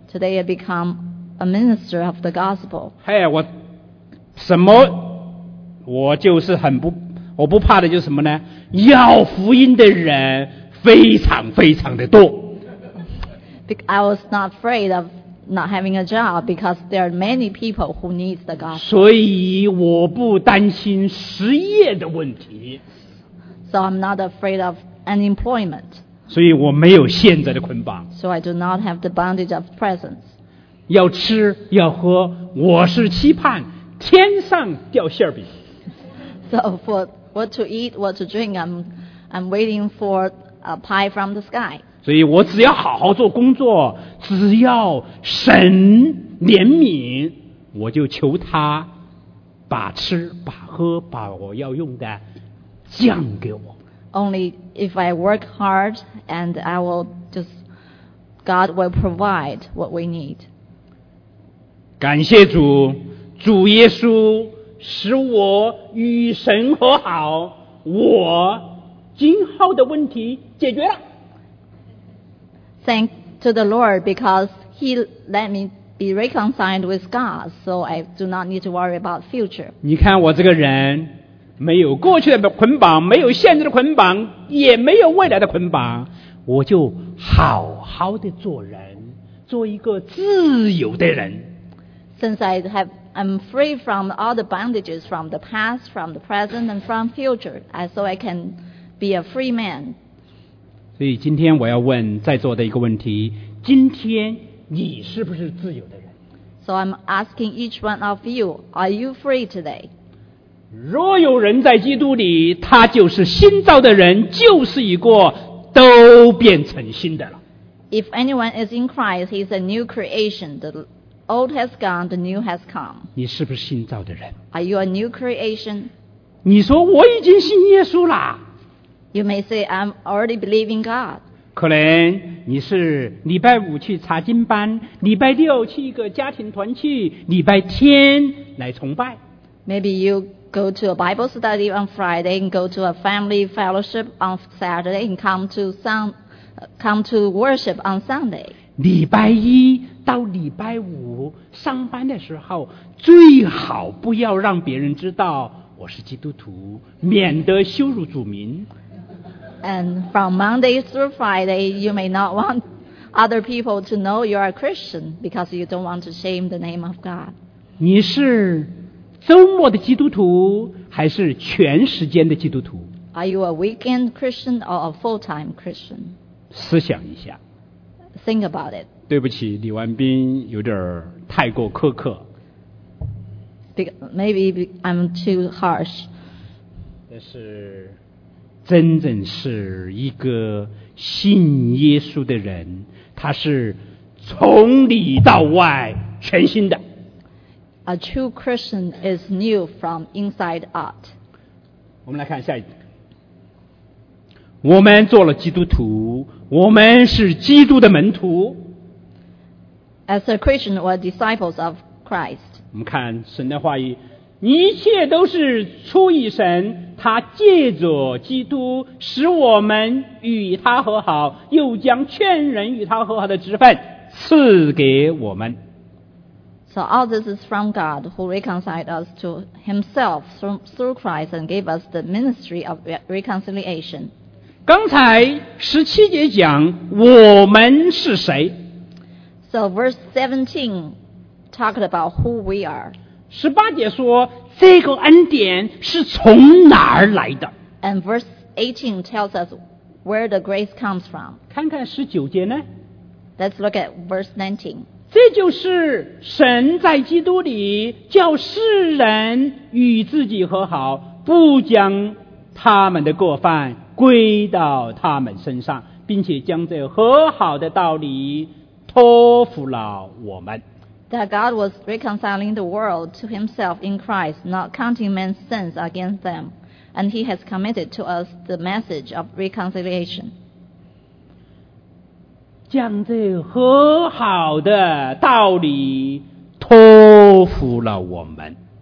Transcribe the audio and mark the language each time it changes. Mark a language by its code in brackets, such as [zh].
[en] Today I become a minister of the gospel. [zh] 嘿，我什么？我就是很不，我不怕的就是什么呢？要福音的人非常非常的多。 [en] I was not afraid of not having a job because there are many people who need the gospel. [zh] 所以我不担心失业的问题。 [en] So I'm not afraid of unemployment. [zh] 所以我没有现在的捆绑。 [en] So I do not have the bondage of presence. [zh] 要吃要喝，我是期盼天上掉馅饼。 [en] So for what to eat, what to drink, I'm waiting for a pie from the sky. [zh] 所以我只要好好做工作，只要神怜悯，我就求他把吃把喝把我要用的降给我。 [en] Only if I work hard and I will just, God will provide what we need. [zh] 感谢主，主耶稣使我与神和好，我今后的问题解决了。 [en] Thank to the Lord because He let me be reconciled with God, so I do not need to worry about future. [zh] 你看我这个人。没有过去的捆绑，没有现在的捆绑，也没有未来的捆绑，我就好好的做人，做一个自由的人。 [en] Since I'm free from all the bondages from the past, from the present, and from future, so I can be a free man. [zh] 所以今天我要问在座的一个问题：今天你是不是自由的人 [en] ？So I'm asking each one of you, are you free today? [zh] 若有人在基督里，他就是新造的人，旧事已过，都变成新的了。 [en] If anyone is in Christ, he is a new creation. The old has gone, the new has come. [zh] 你是不是新造的人？ [en] Are you a new creation? [zh] 你说我已经信耶稣了。 [en] You may say I'm already believing God. [zh] 可能你是礼拜五去查经班，礼拜六去一个家庭团契，礼拜天来崇拜。 [en] Maybe you. Go to a Bible study on Friday and go to a family fellowship on Saturday and come to worship on Sunday. [zh] 礼拜一到礼拜五上班的时候，最好不要让别人知道我是基督徒，免得羞辱主名。 [en] And from Monday through Friday, you may not want other people to know you are a Christian because you don't want to shame the name of God. [zh] 你是周末的基督徒还是全时间的基督徒？ [en] Are you a weekend Christian or a full-time Christian? [zh] 思想一下。 [en] Think about it. [zh] 对不起，李万斌有点太过苛刻。 [en] Maybe I'm too harsh. [zh] 但是真正是一个信耶稣的人，他是从里到外全新的。 [en] A true Christian is new from inside out. [zh] 我们来看下一个。我们做了基督徒，我们是基督的门徒。 [en] As a Christian, we're disciples of Christ. [zh] 我们看神的话语，一切都是出于神，他借着基督使我们与他和好，又将劝人与他和好的职分赐给我们。 [en] So all this is from God who reconciled us to himself through Christ and gave us the ministry of reconciliation. [zh] 刚才十七节讲我们是谁。 [en] So verse 17 talked about who we are. [zh] 十八节说这个恩典是从哪儿来的。 [en] And verse 18 tells us where the grace comes from. [zh] 看看十九节呢。 [en] Let's look at verse 19. [zh] 这就是神在基督里叫世人与自己和好，不将他们的过犯归到他们身上，并且将这和好的道理托付了我们。 [en] That God was reconciling the world to himself in Christ, not counting man's sins against them, and he has committed to us the message of reconciliation. [zh] 将这和好的道理托付了我们。